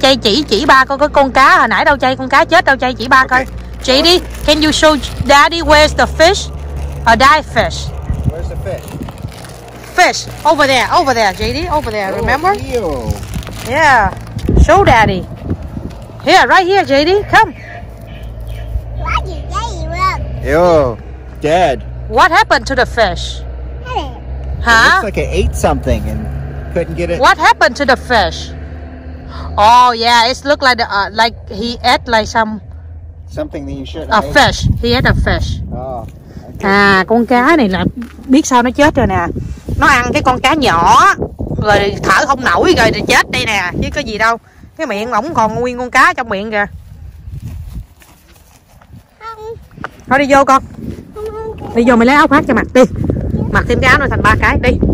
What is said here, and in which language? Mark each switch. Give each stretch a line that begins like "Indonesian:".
Vietnamese: Chay chỉ ba coi có con cá hồi nãy đâu chay, con cá chết đâu chay, chỉ ba coi. Chị đi,
English: can you show daddy where's the fish? A dive fish. Where's the fish? Fish over there, JD, over there, remember? Ew. Yeah. Show daddy. Here, right here, JD. Come. Why did JD run? Yo, Dad. What happened to the fish? Huh? It looks like it ate something and couldn't get it. What happened to the fish? Oh yeah, it looked like the, like he ate like some. Something that you shouldn't. A fish. He ate a fish. Oh. Okay.
Vietnamese: À, con cá này là biết sao nó chết rồi nè. Nó ăn cái con cá nhỏ rồi thở không nổi rồi thì chết đây nè. Chứ có gì đâu. Cái miệng ổng còn nguyên con cá trong miệng kìa. Thôi đi vô con. Đi vô mày lấy áo khoác cho mặc đi. Mặc thêm cái áo nữa thành ba cái đi.